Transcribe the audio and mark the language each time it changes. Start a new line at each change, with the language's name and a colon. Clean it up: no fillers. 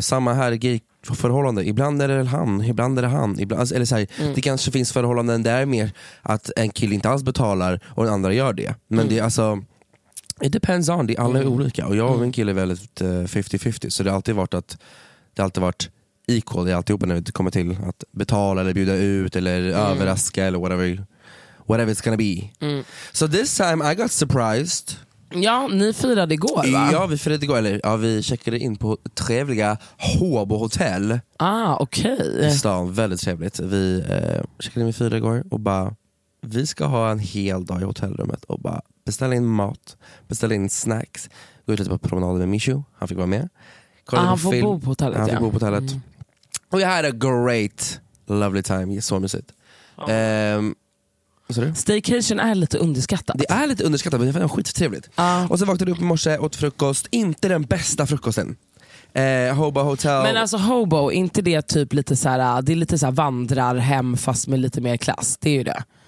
Swedish: Samma här gay förhållande, ibland är det han, ibland, eller så här, det kanske finns förhållanden där mer att en kille inte alls betalar och en andra gör det. Men det är alltså...
English: It depends on,
Swedish: det är alla olika. Och jag och min kille är väldigt 50-50. Så det har alltid varit att det har alltid varit equal i alltihopa när vi kommer till att betala eller bjuda ut eller överraska eller
English: whatever it's gonna be. So this time I got surprised.
Swedish: Ja, ni firade igår, va? Ja, vi firade igår. Eller ja, vi checkade in på trevliga Håbo Hotel. Ah, okej.
English: Okay.
Swedish: I stan, väldigt trevligt. Vi checkade in med fyra igår och bara, vi ska ha en hel dag i hotellrummet och bara beställa in mat, beställa in snacks, gå ut lite på promenaden med Michu, han fick vara med. Han fick bo på hotellet. Mm.
English: We had a great, lovely time.
Swedish: Så mysigt. Vad sa du? Staycation är lite underskattat. Det är lite underskattat, men det var skittrevligt. Och sen vaknade du upp i morse, åt frukost. Inte den bästa frukosten. Hobo Hotel. Men alltså Hobo, inte det typ lite så här, det är lite så här vandrar hem fast med lite mer klass. Det är ju det.